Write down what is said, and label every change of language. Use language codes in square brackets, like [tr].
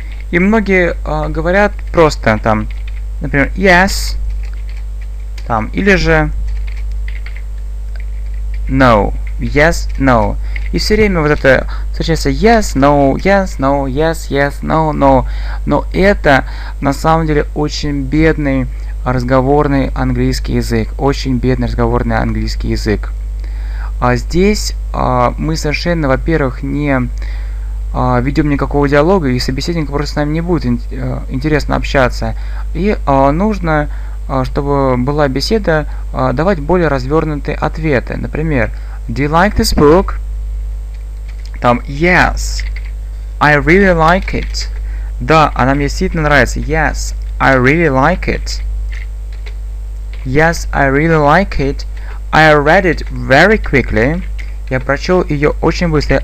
[ru] И многие говорят просто там, например, [en] yes, [ru] там, или же [en] no, yes, no. [ru] И все время вот это встречается [en] yes, no, yes, no, yes, yes, no, no. [ru] Но это на самом деле очень бедный разговорный английский язык. Очень бедный разговорный английский язык. А здесь мы совершенно, во-первых, не ведем никакого диалога, и собеседник просто с нами не будет интересно общаться. И нужно, чтобы была беседа, давать более развернутые ответы. Например, [en] do you like this book? [ru] Там, [en] yes, I really like it. [ru] Да, она мне действительно нравится. [en] Yes, I really like it. Yes, I really like it. I read it very quickly. [ru] Я прочел ее очень быстро.